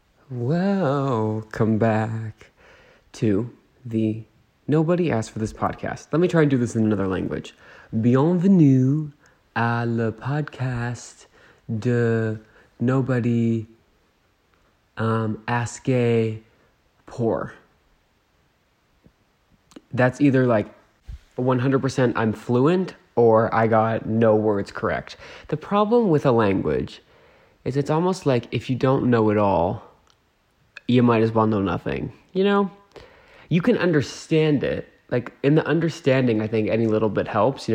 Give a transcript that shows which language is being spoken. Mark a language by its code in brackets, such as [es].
[en] Welcome back to the Nobody Asked for This podcast. Let me try and do this in another language. [fr] Bienvenue à le podcast de Nobody Asqué pour. [en] That's either like 100% I'm fluent or I got no words correct. The problem with a language is it's almost like if you don't know it all, you might as well know nothing, you know? You can understand it. Like, in the understanding, I think any little bit helps.